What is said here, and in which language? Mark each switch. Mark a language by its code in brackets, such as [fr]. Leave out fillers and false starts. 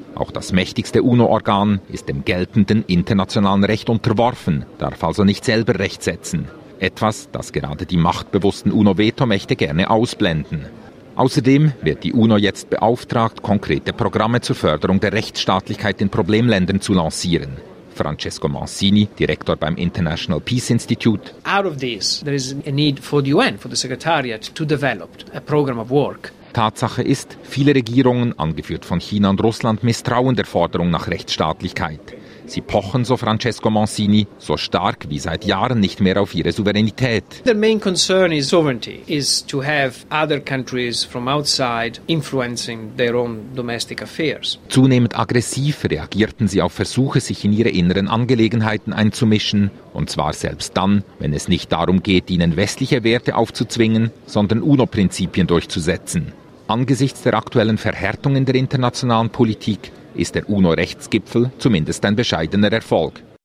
[de] Auch das mächtigste UNO-Organ ist dem geltenden internationalen Recht unterworfen, darf also nicht selber Recht setzen. Etwas, das gerade die machtbewussten UNO-Vetomächte gerne ausblenden. Außerdem wird die UNO jetzt beauftragt, konkrete Programme zur Förderung der Rechtsstaatlichkeit in Problemländern zu lancieren. Francesco Mancini, Direktor beim International Peace Institute. [en] Out of this, there is a need for the UN, for the Secretariat, to develop a program of work. [de] Tatsache ist, viele Regierungen, angeführt von China und Russland, misstrauen der Forderung nach Rechtsstaatlichkeit. Sie pochen, so Francesco Mancini, so stark wie seit Jahren nicht mehr auf ihre Souveränität. [en] The main concern is sovereignty, is to have other countries from outside influencing their own domestic affairs. [de] Zunehmend aggressiv reagierten sie auf Versuche, sich in ihre inneren Angelegenheiten einzumischen, und zwar selbst dann, wenn es nicht darum geht, ihnen westliche Werte aufzuzwingen, sondern UNO-Prinzipien durchzusetzen. Angesichts der aktuellen Verhärtung in der internationalen Politik ist der UNO-Rechtsgipfel zumindest ein bescheidener Erfolg.